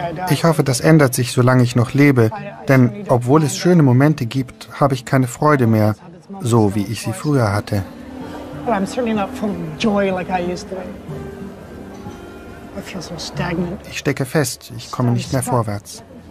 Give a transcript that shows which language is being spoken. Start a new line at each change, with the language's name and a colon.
German: Ich hoffe, das ändert sich, solange ich noch lebe. Denn obwohl es schöne Momente gibt, habe ich keine Freude mehr, so wie ich sie früher hatte.
English: But I'm certainly not full of joy like I used to. I feel so stagnant.
German: Ich stecke fest, ich komme nicht mehr vorwärts.